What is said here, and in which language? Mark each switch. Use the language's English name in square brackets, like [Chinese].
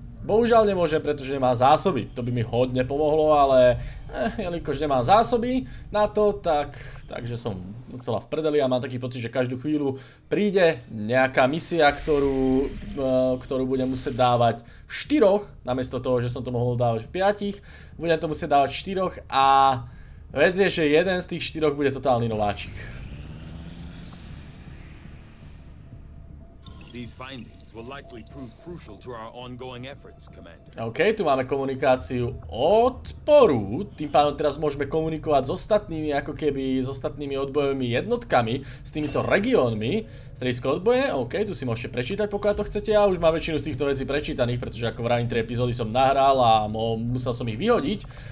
[Slovak] Bohužiaľ nemôžem, pretože nemám zásoby. To by mi hodne pomohlo, ale jelikož nemám zásoby na to, takže som docela v predeli a mám taký pocit, že každú chvíľu príde nejaká misia, ktorú budem musieť dávať v 4, namiesto toho, že som to mohol dávať v 5, budem to musieť dávať v 4 a vec je, že jeden z tých 4 bude totálny nováčik. [English] Will likely prove crucial to our ongoing efforts, Commander. [Slovak] OK, tu máme komunikáciu odporu. Tým pádom teraz môžeme komunikovať s ostatnými, ako keby s ostatnými odbojovými jednotkami, s týmito regiónmi. Stredisko odboje, OK, tu si môžete prečítať, pokiaľ to chcete. Ja už mám väčšinu z týchto vecí prečítaných, pretože ako vravím, 3 epizódy som nahral a musel som ich vyhodiť.